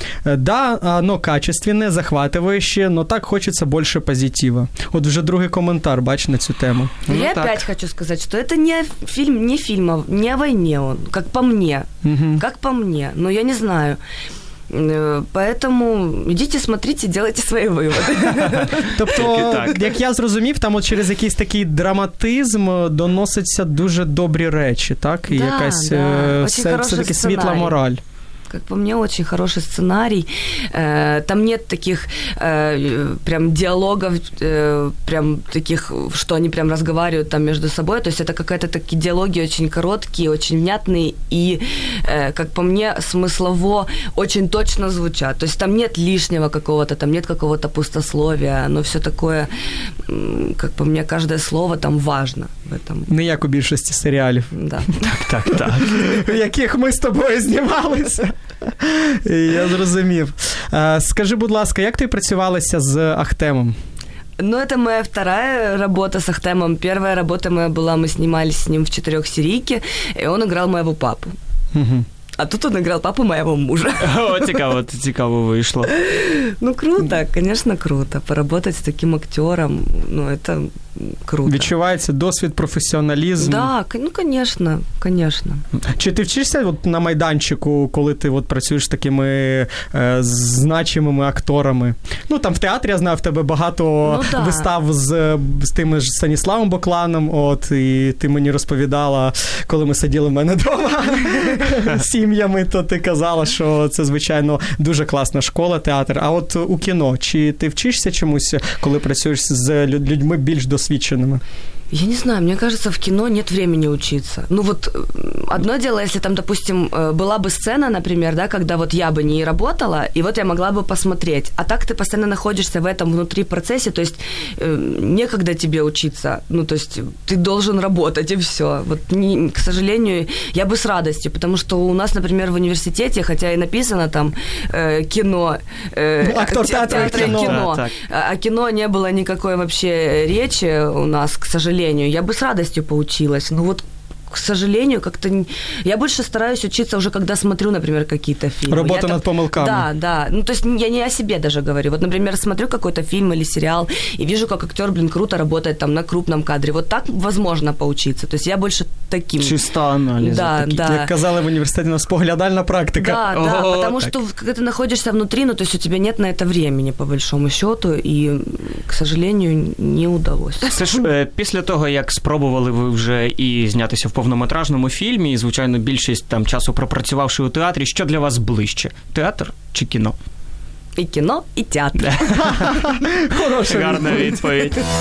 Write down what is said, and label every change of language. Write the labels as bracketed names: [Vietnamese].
[Russian] Да, оно качественное, захватывающее, но так хочется больше позитива. Вот уже другой комментар, бачу, на эту тему. Я опять хочу сказать, что это не фильм, не фильм, не о войне он, как по мне. Угу. Как по мне, но я не знаю. Поэтому идите, смотрите, делайте свои выводы. [Ukrainian] Тобто, як я зрозумів, там от через якийсь такий драматизм доносяться дуже добрі речі, так? І якась все-таки світла мораль. [Russian] как по мне, очень хороший сценарий. Там нет таких прям диалогов, прям таких, что они прям разговаривают там между собой. То есть это какая-то такие диалоги очень короткие, очень внятные и, как по мне, смыслово очень точно звучат. То есть там нет лишнего какого-то, там нет какого-то пустословия, но все такое, как по мне, каждое слово там важно в этом. [Ukrainian] Не як у більшості серіалів. [Russian] Да. [Ukrainian] Так, так, так. В яких ми з тобою знімалися. Я зрозумів. Скажи, будь ласка, як ти працювалася з Ахтемом? [Russian] Ну, это моя вторая работа с Ахтемом. Первая работа моя была, мы снимались с ним в четырехсерийке, и он играл моего папу. Угу. А тут он играл папу моего мужа. [Ukrainian] О, цікаво, цікаво вийшло. [Russian] Ну, круто, конечно, круто. Поработать с таким актером, ну, это круто. [Ukrainian] Відчувається досвід, професіоналізм. [Russian] Так, ну, конечно, конечно. [Ukrainian] Чи ти вчишся от на майданчику, коли ти от працюєш з такими значимими акторами? Ну, там в театрі, я знаю, в тебе багато вистав з тим ж Станіславом Бокланом, от, і ти мені розповідала, коли ми сиділи в мене вдома з сім'ями, то ти казала, що це, звичайно, дуже класна школа, театр. А от у кіно, чи ти вчишся чомусь, коли працюєш з людьми більш досвідченими? [Russian] Я не знаю, мне кажется, в кино нет времени учиться. Ну вот одно дело, если там, допустим, была бы сцена, например, да, когда вот я бы не работала, и вот я могла бы посмотреть. А так ты постоянно находишься в этом внутри процессе, то есть некогда тебе учиться. Ну то есть ты должен работать, и все. Вот не, к сожалению, я бы с радостью, потому что у нас, например, в университете, хотя и написано там кино, актер театра и кино, а кино не было никакой вообще речи у нас, к сожалению. Я бы с радостью поучилась, но вот, к сожалению, как-то... Я больше стараюсь учиться уже, когда смотрю, например, какие-то фильмы. Работа над помылками. Да, да. Ну, то есть я не о себе даже говорю. Вот, например, смотрю какой-то фильм или сериал и вижу, как актер, блин, круто работает там на крупном кадре. Вот так возможно поучиться. То есть я больше таким... Чисто анализа. Да, такі. Да. Как казали в университете, у нас поглядальна практика. Да, да, потому так. Что когда ты находишься внутри, ну, то есть у тебя нет на это времени, по большому счету, и, к сожалению, не удалось. [Ukrainian] Це ж після того, як спробували ви вже і знятися в повнометражному фільмі, і, звичайно, більшість там часу пропрацювавши у театрі, що для вас ближче? Театр чи кіно? І кіно, і театр. Хороша гарна відповідь.